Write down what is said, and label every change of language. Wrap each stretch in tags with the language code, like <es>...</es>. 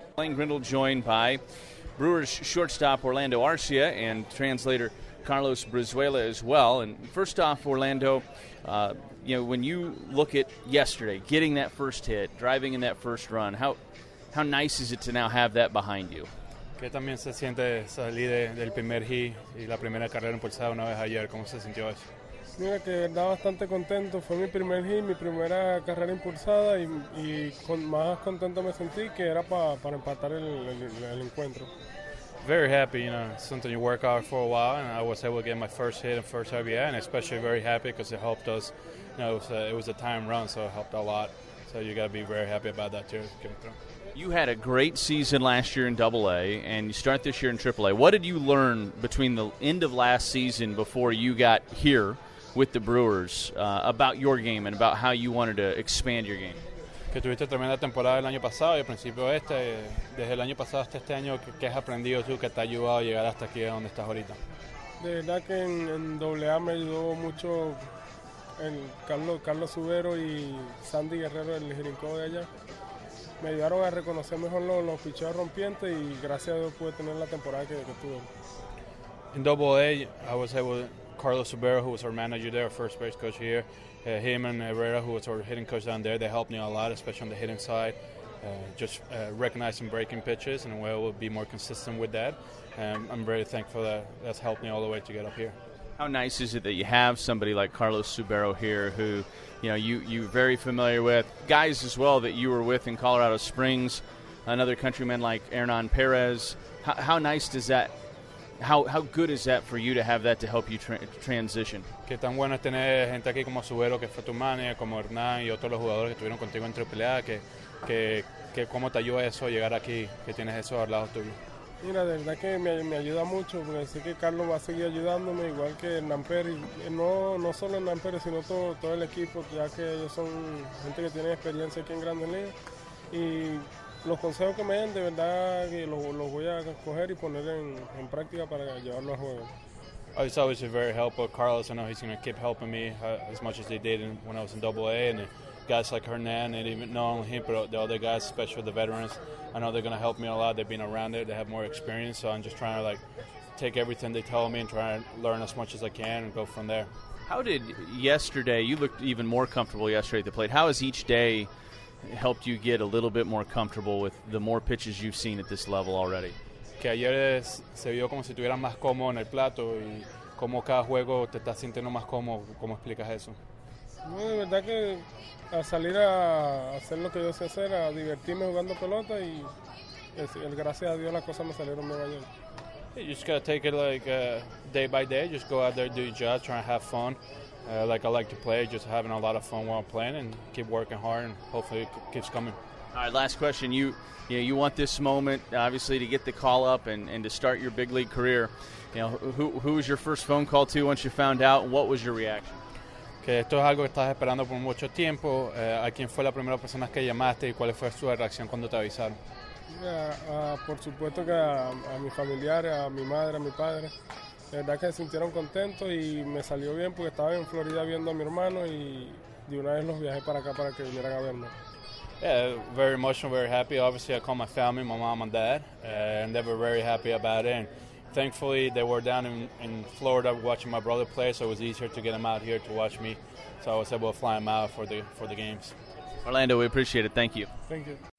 <en>Lane Grindle joined by Brewers shortstop Orlando Arcia and translator Carlos Brizuela as well. And first off, Orlando, you know, when you look at yesterday, getting that first hit, driving in that first run, how nice is it to now have that behind you?</en> <es>¿Qué también se siente salir del primer hit y la primera carrera impulsada una vez ayer? ¿Cómo se sintió eso? Mira, que da bastante contento. Fue mi primer hit, mi primera carrera impulsada y con más contento me sentí que era para empatar el encuentro.</es> <en>Very happy, you know, something you work out for a while, and I was able to get my first hit and first RBI, and especially very happy because it helped us, you know, it was a time run, so it helped a lot. So you got to be very happy about that too. You had a great season last year in AA, and you start this year in AAA. What did you learn between the end of last season before you got here with the Brewers about your game and about how you wanted to expand your game?</en> <es>Que tuviste tremenda temporada el año pasado y al principio este, desde el año pasado hasta este año, ¿qué has aprendido tú que te ha ayudado a llegar hasta aquí donde estás ahorita? De verdad que en AA me ayudó mucho el Carlos Subero y Sandy Guerrero, el Jerinco de allá. Me ayudaron a reconocer mejor los picheos rompientes y gracias a Dios pude tener la temporada que tuve.</es> <en>En AA, I was able to... Carlos Subero, who was our manager there, our first base coach here, him and Herrera, who was our hitting coach down there, they helped me a lot, especially on the hitting side, just recognizing breaking pitches and where we'll be more consistent with that. I'm very thankful that that's helped me all the way to get up here. How nice is it that you have somebody like Carlos Subero here who, you know, you're very familiar with, guys as well that you were with in Colorado Springs, another countryman like Hernan Perez. How nice does that How good is that for you to have that to help you transition?</en> <es>Qué tan bueno es tener gente aquí como Subero, que fue tu manager, como Hernán y otros los jugadores que estuvieron contigo en AAA, que cómo te ayudó eso llegar aquí, que tienes eso al lado tuyo. Mira, de verdad que me ayuda mucho, porque sé que Carlos va a seguir ayudándome, igual que Hernán Pérez, no solo Hernán Pérez, sino todo el equipo, ya que ellos son gente que tiene experiencia aquí en Grandes Ligas, y... Los consejos que me den, de verdad, los voy a coger y poner en práctica para llevarlo a juego.</es> <en>It's always very helpful. Carlos, I know he's going to keep helping me as much as they did when I was in AA. And guys like Hernan, and even not only him, but the other guys, especially the veterans, I know they're going to help me a lot. They've been around it. They have more experience. So I'm just trying to, like, take everything they tell me and try to learn as much as I can and go from there. How did yesterday, you looked even more comfortable yesterday at the plate. How is each day helped you get a little bit more comfortable with the more pitches you've seen at this level already?</en> <es>Que ayer se vio como si tuvieras más cómodo en el plato y como cada juego te estás sintiendo más cómodo. ¿Cómo explicas eso? No, de verdad que a salir a hacer lo que yo sé hacer, a divertirme jugando pelota y gracias a Dios las cosas me salieron muy bien.</es> <en>You just gotta take it like day by day. Just go out there, do your job, try and have fun. Like I like to play, just having a lot of fun while playing and keep working hard and hopefully it keeps coming. All right, last question. You want this moment, obviously, to get the call up and to start your big league career. You know, who was your first phone call to once you found out? What was your reaction?</en> <es>Que esto es algo que estás esperando por mucho tiempo. ¿A quién fue la primera persona que llamaste y cuál fue su reacción cuando te avisaron? Por supuesto que a mis familiares, a mi madre, a mi padre. La verdad que se sintieron contentos y me salió bien porque estaba en Florida viendo a mi hermano y de una vez los viajé para acá para que vinieran a verme.</es> <en>Yeah, very emotional, very happy. Obviously, I called my family, my mom and dad, and they were very happy about it. And thankfully, they were down in Florida watching my brother play, so it was easier to get him out here to watch me. So I was able to fly him out for the games. Orlando, we appreciate it. Thank you. Thank you.</en>